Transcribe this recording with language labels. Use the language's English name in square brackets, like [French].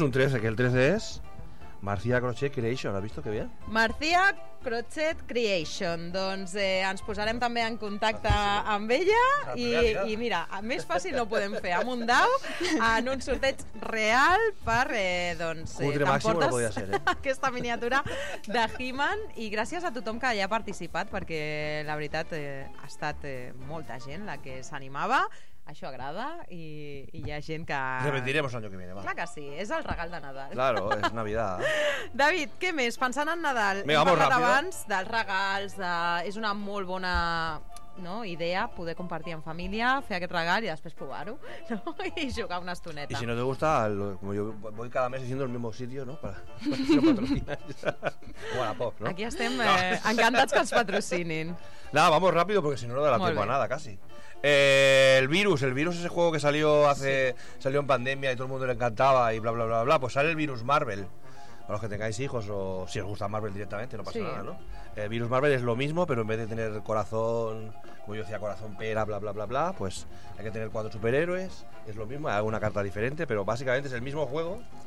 [Spanish] Un 13, que el 13 es Marcia Crochet Creation, ¿has visto? Qué bien. Marcia Crochet Creation. [Catalan] Doncs ens posarem també en contacte amb ella i mira, més fàcil no ho podem fer amb un dau en un sorteig real per doncs, t'emportes no aquesta miniatura de He-Man i gràcies a tothom que hi ha participat perquè la veritat ha estat molta gent la que s'animava. Això agrada i hi ha gent que... [Spanish] Repetiremos l'any que viene, va. [Catalan] Clar que sí, és el regal de Nadal. [Spanish] Claro, és Navidad. [Catalan] David, què més? Pensant en Nadal, venga, hem parlat abans dels regals, de... és una molt bona, no, idea poder compartir en família, fer aquest regal i després provar-ho, no? I jugar una estoneta. [Spanish] I si no te gusta, como yo voy cada mes haciendo el mismo sitio, ¿no? Para patrocinar. Bueno, pop, ¿no? [Catalan] Aquí estem encantats que els patrocinin. [Spanish] Nada, vamos rápido porque si no no da la tiempo a nada, casi. El virus, ese juego que salió hace sí. Salió en pandemia y todo el mundo le encantaba y bla bla bla bla, pues sale el virus Marvel. A los que tengáis hijos o si os gusta Marvel directamente, no pasa sí. Nada, ¿no? El virus Marvel es lo mismo, pero en vez de tener corazón, como yo decía, corazón pera, bla bla bla bla, pues hay que tener cuatro superhéroes, es lo mismo, hay alguna carta diferente, pero básicamente es el mismo juego.